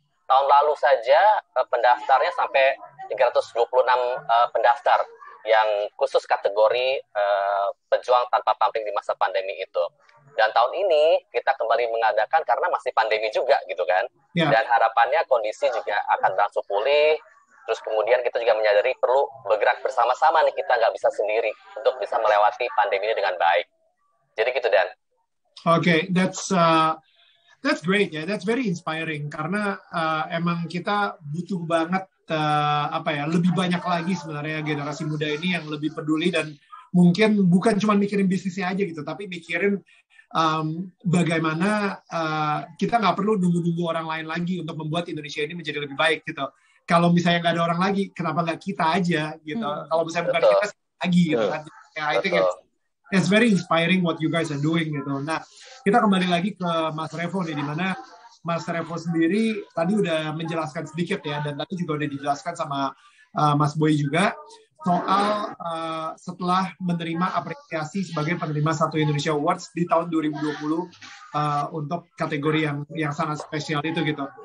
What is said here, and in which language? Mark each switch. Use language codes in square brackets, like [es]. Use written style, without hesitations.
[id] Tahun lalu saja pendaftarnya sampai 326 pendaftar yang khusus kategori pejuang tanpa pamrih di masa pandemi itu. Dan tahun ini kita kembali mengadakan karena masih pandemi juga gitu kan. Ya. Dan harapannya kondisi juga akan langsung pulih, Terus kemudian kita juga menyadari perlu bergerak bersama-sama nih, kita nggak bisa sendiri untuk bisa melewati pandemi ini dengan baik. Jadi gitu, Dan. [en] Okay, that's great ya. Yeah. That's very inspiring [id] karena emang kita butuh banget lebih banyak lagi sebenarnya generasi muda ini yang lebih peduli dan mungkin bukan cuma mikirin bisnisnya aja gitu, tapi mikirin bagaimana kita nggak perlu nunggu-nunggu orang lain lagi untuk membuat Indonesia ini menjadi lebih baik gitu. Kalau misalnya nggak ada orang lagi, kenapa nggak kita aja gitu? Kalau misalnya bukan kita lagi gitu. [en] Yeah, I think it's very inspiring what you guys are doing gitu. [id] Nah, kita kembali lagi ke Mas Revo nih, di mana Mas Revo sendiri tadi udah menjelaskan sedikit ya, dan tadi juga udah dijelaskan sama Mas Boy juga soal setelah menerima apresiasi sebagai penerima Satu Indonesia Awards di tahun 2020 untuk kategori yang sangat spesial itu gitu.